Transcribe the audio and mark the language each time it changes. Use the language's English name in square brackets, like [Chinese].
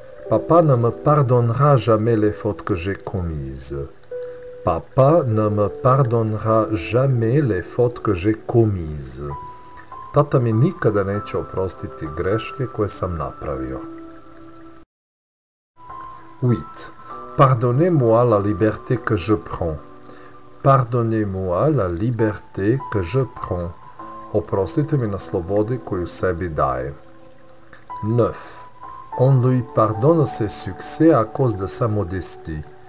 [French] Papa ne me pardonnera jamais les fautes que j'ai commises. Papa ne me pardonnera jamais les fautes que j'ai commises. [Croatian] Tata mi nikada neće oprostiti greške koje sam napravio. 8. [French] Pardonnez-moi la liberté que je prends. Pardonnez-moi la liberté que je prends. [Croatian] Oprostite mi na slobodi koju sebi daje. 9. [French] On lui pardonne ses succès à cause de sa modestie.